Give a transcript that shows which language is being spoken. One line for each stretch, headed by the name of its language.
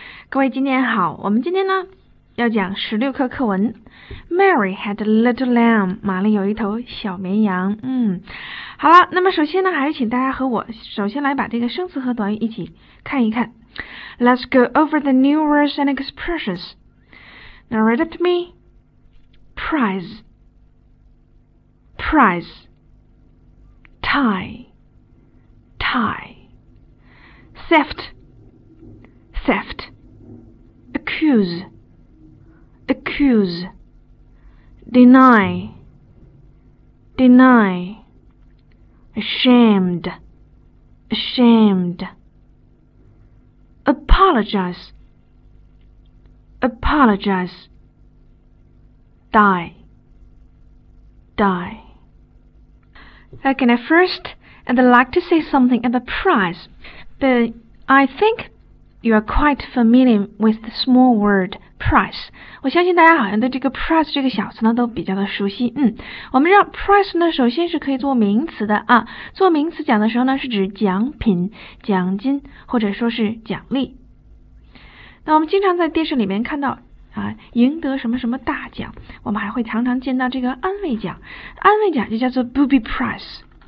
Chinese: 各位今天好，我们今天呢要讲十六课课文。
English: Mary had a little lamb.
Chinese: 玛丽有一头小绵羊。好了，那么首先呢，还是请大家和我首先来把这个生词和短语一起看一看。
English: Let's go over the new words and expressions. Now read it to me. Prize. Prize, tie, tie, theft, theft, accuse, accuse, deny, deny, ashamed, ashamed, apologize, apologize, die, die. Okay, now first, I'd like to say something about prize, but I think you are quite familiar with the small word prize.
Chinese: 我相信大家好像对这个 prize 这个小词呢都比较的熟悉。我们知道 prize 呢首先是可以做名词的啊，做名词讲的时候呢是指奖品、奖金或者说是奖励。那我们经常在电视里面看到啊，赢得什么什么大奖，我们还会常常见到这个安慰奖，安慰奖就叫做 booby prize。